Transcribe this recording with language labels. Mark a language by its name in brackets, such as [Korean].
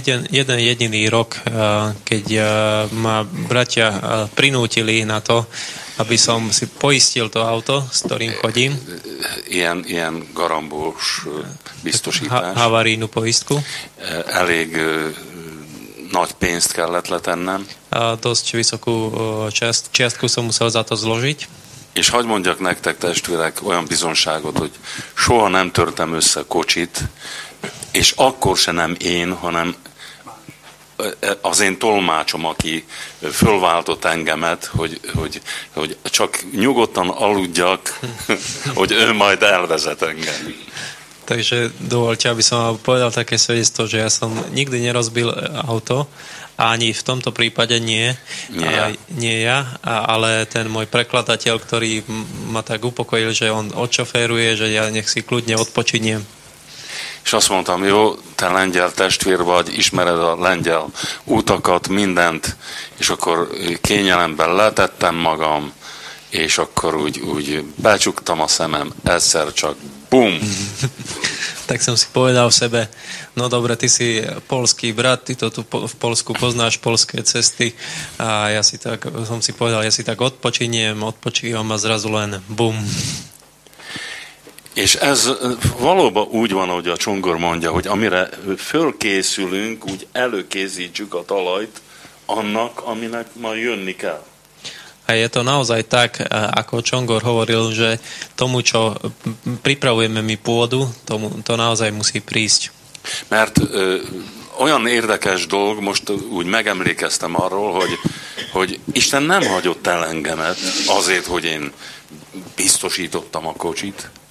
[Slovak] Jediný rok, keď ma bratia prinútili na to, aby som si poistil to auto, s ktorým chodím. [Hungarian] Ilyen garambós biztosítás. [Slovak] Havarijnú poistku. [Hungarian] Elég nagy pénzt kellett letennem. [Slovak] Dosť vysokú čiastku som musel za to zložiť. [Hungarian] És hogy mondjak nektek, testvérek, olyan bizonságot, hogy soha nem törtem össze kocsit, és akkor se nem én, hanem az én tolmácsom, aki fölváltott engemet, hogy csak nyugodtan aludjak, hogy ő majd elvezet engem. [Slovak] Takže dovolte, aby som vám povedal také svedectvo, že ja som nikdy nerozbil auto, ani v tomto prípade nie ja, ale ten môj prekladateľ, ktorý ma tak upokojil, že on odšoféruje, že ja nech si kľudne odpočiniem. [Hungarian] És azt mondtam, jó, te lengyel testvér vagy, ismered a lengyel útakat, mindent, és akkor kényelemben letettem magam, és akkor úgy becsuktam a szemem, egyszer csak bum! [Slovak] Tak som si povedal v sebe, no dobre, ty si polský brat, ty to tu v Polsku poznáš, polské cesty, a ja si tak, som si povedal, ja si tak odpočívam a zrazu len bum! [Hungarian] És ez valóban úgy van, hogy a Csongor mondja, hogy amire fölkészülünk, úgy előkészítsük a talajt annak, aminek ma jönni kell. [Slovak] A je to naozaj tak, ako Csongor hovoril, že tomu, čo pripravujeme mi pôdu, tomu, to naozaj musí prísť. [Hungarian] Mert olyan érdekes dolg, most úgy megemlékeztem arról, hogy Isten nem hagyott el engemet azért, hogy én biztosítottam a kocsit.